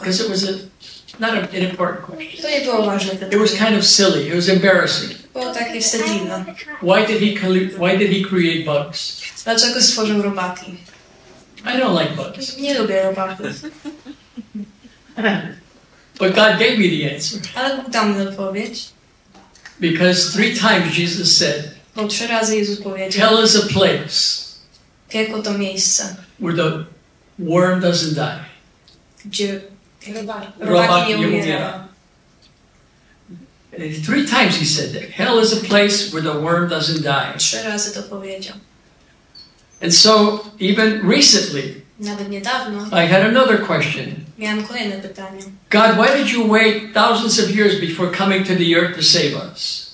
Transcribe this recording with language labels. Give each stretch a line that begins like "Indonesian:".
English: Because it was an important question.
Polish: To nie było ważne pytanie.
English: It was kind of silly. It was embarrassing.
Polish: Było takie wstydliwe.
English: Why did he create bugs?
Polish: Dlaczego stworzył robaki?
English: I don't like bugs.
Polish: Nie lubię robaków.
English: But God gave me the answer.
Polish: Ale Bóg dał mi odpowiedź.
English: Because three times Jesus said.
Polish: Bo trzy razy Jezus powiedział.
English: Tell us a place.
Polish: Piekło to miejsce.
English: Where the worm doesn't die.
Polish: Gdzie robak nie umiera.
English: Three times he said that. Hell is a place where the worm doesn't die.
Polish: Trzy razy to powiedział.
English: And so even recently.
Polish: Nawet niedawno.
English: I had another question.
Polish: Miałem kolejne pytanie.
English: God, why did you wait thousands of years before coming to the earth to save us?